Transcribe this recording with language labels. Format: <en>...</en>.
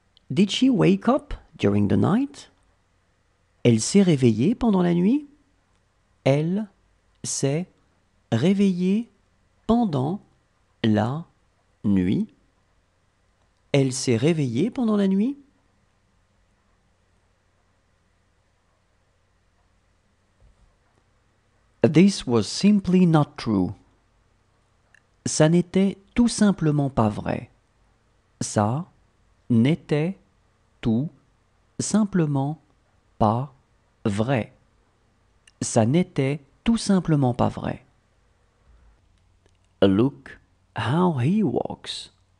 <en>Did she wake up during the night?</en> <fr>Elle s'est réveillée pendant la nuit? Elle s'est réveillée pendant la nuit? Elle s'est réveillée pendant la nuit?</fr> <en>This was simply not true.</en> <fr>Ça n'était tout simplement pas vrai. Ça n'était tout simplement pas vrai. Ça n'était tout simplement pas vrai.</fr> <en>Look how he walks.</en>